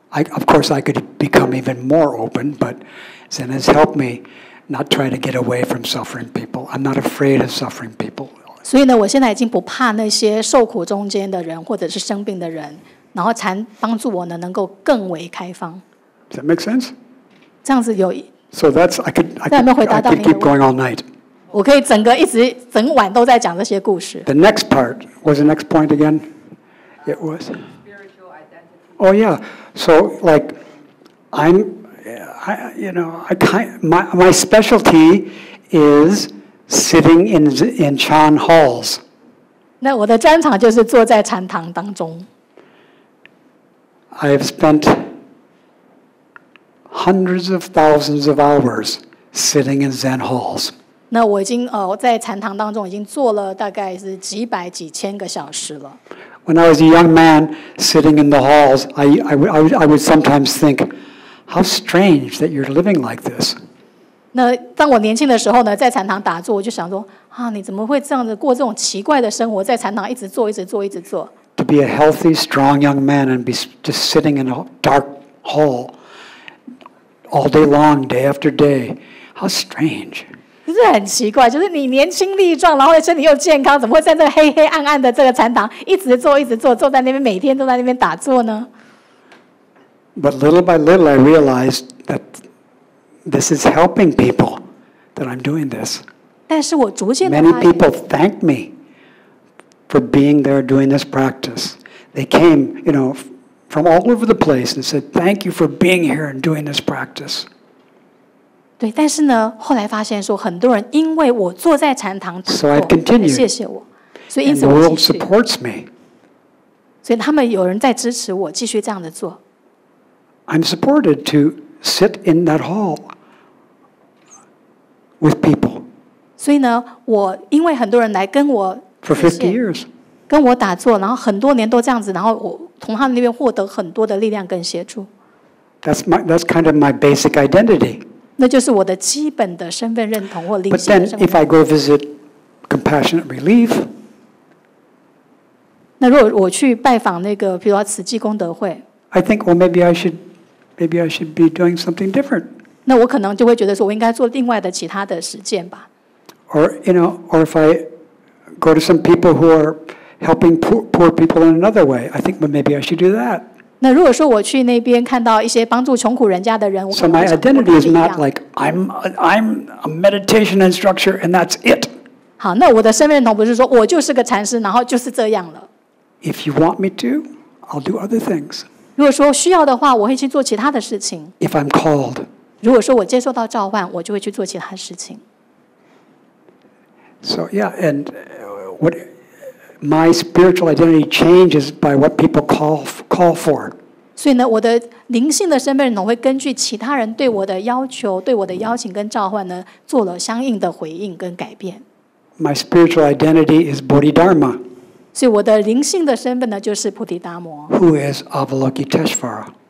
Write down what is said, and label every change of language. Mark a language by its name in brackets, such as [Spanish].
[English] Of course, I could become even more open, but Zen has helped me not try to get away from suffering people. I'm not afraid of suffering people. [Chinese] 所以呢，我现在已经不怕那些受苦中间的人或者是生病的人。然后禅帮助我呢，能够更为开放。 [English] Does that make sense? [Chinese] 这样子有。 [English] So that's I could keep going all night. [Chinese] 我可以整个一直整晚都在讲这些故事。 [English] The next part was the next point again. It was. Spiritual identity. Oh yeah. So like, my specialty is sitting in Chan halls. [Chinese] 那我的专长就是坐在禅堂当中。 [English] I have spent hundreds of thousands of hours sitting in Zen halls. [Chinese] 那我已经在禅堂当中已经坐了大概是几百几千个小时了。 [English] When I was a young man sitting in the halls, I would sometimes think, how strange that you're living like this. [Chinese] 那当我年轻的时候呢，在禅堂打坐，我就想说啊，你怎么会这样子过这种奇怪的生活，在禅堂一直坐，一直坐，一直坐。 [English] To be a healthy, strong young man and be just sitting in a dark hall all day long, day after day. How strange. [Chinese] 不是很奇怪，就是你年轻力壮，然后身体又健康，怎么会在这黑黑暗暗的这个禅堂一直坐，一直坐，坐在那边，每天都在那边打坐呢？ [English] But little by little, I realized that this is helping people, that I'm doing this. [Chinese] 但是我逐渐的 [English] Many people thank me. For being there doing this practice, they came, you know, from all over the place and said, "Thank you for being here and doing this practice." [Chinese] 对，但是呢，后来发现说，很多人因为我坐在禅堂打坐，所以 [English] I've continued. [Chinese] 谢谢我，所以因此 [English] And the world supports me. [Chinese] 所以他们有人在支持我继续这样的做。 [English] I'm supported to sit in that hall with people. [Chinese] 所以呢，我因为很多人来跟我。 [English] For 50 years, [Chinese] 跟我打坐，然后很多年都这样子，然后我从他们那边获得很多的力量跟协助。 [English] That's kind of my basic identity. [Chinese] 那就是我的基本的身份认同或灵性的身份。 [English] But then, if I go visit Compassionate Relief, [Chinese] 那如果我去拜访那个，比如说慈济功德会 [English] ，I think, well, maybe I should be doing something different. [Chinese] 那我可能就会觉得说，我应该做另外的其他的实践吧。 [English] Or you know, or if I Go to some people who are helping poor people in another way. I think, but maybe I should do that. [Chinese] 那如果说我去那边看到一些帮助穷苦人家的人，我 [English] So my identity is not like I'm a meditation instructor and that's it. [Chinese] 好，那我的身份认同不是说我就是个禅师，然后就是这样了。 [English] If you want me to, I'll do other things. [Chinese] 如果说需要的话，我会去做其他的事情。 [English] If I'm called. [Chinese] 如果说我接受到召唤，我就会去做其他事情。 [English] So yeah, and what my spiritual identity changes by what people call for. [Chinese] 所以呢，我的灵性的身份认同会根据其他人对我的要求、对我的邀请跟召唤呢，做了相应的回应跟改变。 [English] My spiritual identity is Bodhidharma. [Chinese] 所以我的灵性的身份呢，就是菩提达摩。 [English] Who is Avalokiteshvara?